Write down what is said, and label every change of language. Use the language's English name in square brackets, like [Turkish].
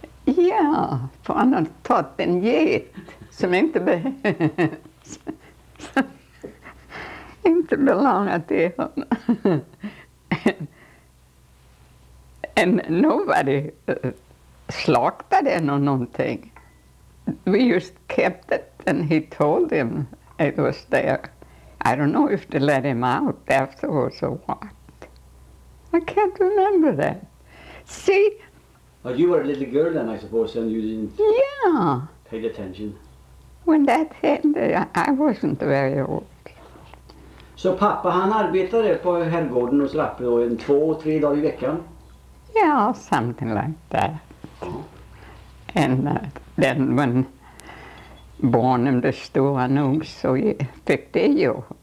[Swedish] Ja, för han har tagit en get som inte behövs. Inte belongar till honom. [English] And nobody [Swedish] slaktade den [English] or [Swedish] någonting. [English] We just kept it and he told him it was there. I don't know if they let him out afterwards or what. I can't remember that. See? But you were a little girl then, I suppose, and you didn't pay attention. When that happened, I wasn't very old. [Swedish] So, pappa, han arbetade på herrgården hos Rappe då, en 2-3 dagar i veckan? [English] Yeah, something like that. And then when [Swedish] barnen blev stora nog så fick de ju